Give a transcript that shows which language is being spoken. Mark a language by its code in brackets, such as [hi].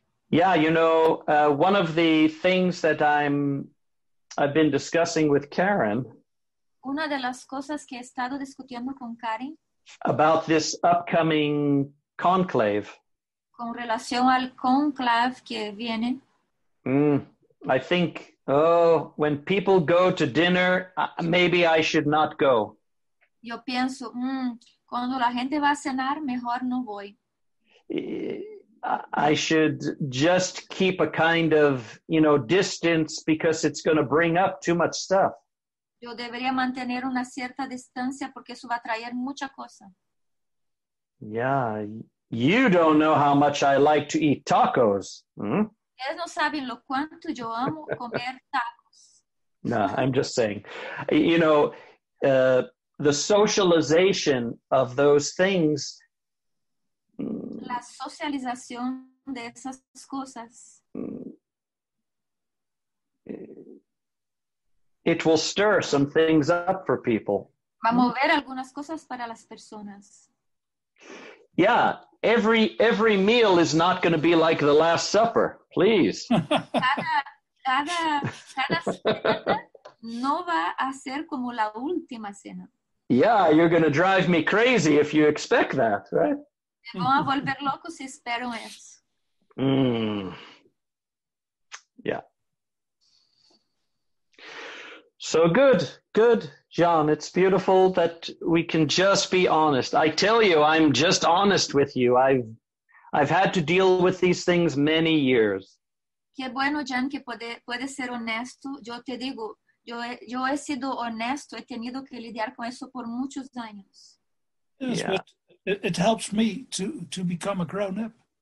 [en] Yeah, you know, one of the things that I've been discussing with Karen. [es] Una de las cosas que he estado discutiendo con Karen. [en] About this upcoming conclave. [es] Con relación al conclave que viene. [en] I think, when people go to dinner, maybe I should not go. [es] Yo pienso, cuando la gente va a cenar, mejor no voy. [en] I should just keep a kind of, you know, distance because it's going to bring up too much stuff. [es] Yo debería mantener una cierta distancia porque eso va a traer mucha cosa. [en] Yeah, you don't know how much I like to eat tacos. [es] Ustedes no saben lo cuánto yo amo comer tacos. [en] No, I'm just saying. You know, the socialization of those things. [es] La socialización de esas cosas. [en] It will stir some things up for people. [es] Va a mover algunas cosas para las personas. [en] Yeah, every meal is not going to be like the Last Supper. Please. [es] Cada cena no va a ser como la última cena. [en] Yeah, you're going to drive me crazy if you expect that, right? [es] Van a volver locos si esperan eso. [en] Yeah. So good, John. It's beautiful that we can just be honest. I tell you, I'm just honest with you. I've had to deal with these things many years. [es] Qué bueno, John, que puede ser honesto. Yo te digo, yo he sido honesto. He tenido que lidiar con eso por muchos años. [en] Yes, yeah. But it helps me to become a grown-up.